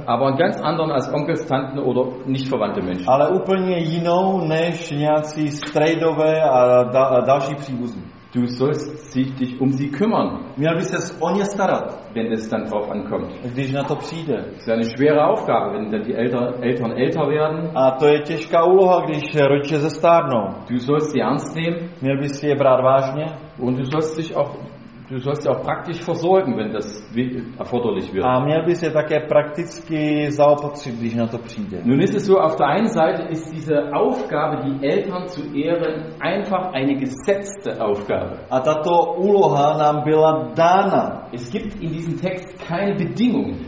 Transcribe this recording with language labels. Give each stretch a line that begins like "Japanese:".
German: Aber einen ganz anderen als Onkel, Tanten oder nicht verwandte Menschen.
Czech: Ale úplně jinou než nějací strejdové a další příbuzní.
German: Du sollst dich um sie kümmern.
Czech: Měl bys se o ně starat,
German: wenn es dann drauf ankommt.
Czech: Když na to přijde.
German: Es ist eine schwere Aufgabe, wenn dann die Eltern älter werden.
Czech: A to je těžká úloha, když rodiče zestárnou.
German: Du sollst sie ernst nehmen.
Czech: Měl bys je brát vážně.
German: Und du sollst dich auch praktisch versorgen, wenn das erforderlich wird.
Czech: A měl bys je také prakticky zaopatřit, když na to přijde.
German: Nun ist es so, auf der einen Seite ist diese Aufgabe, die Eltern zu ehren, einfach eine gesetzte Aufgabe.
Czech: A tato úloha nám byla dána.
German: Es gibt in diesem Text keine Bedingung.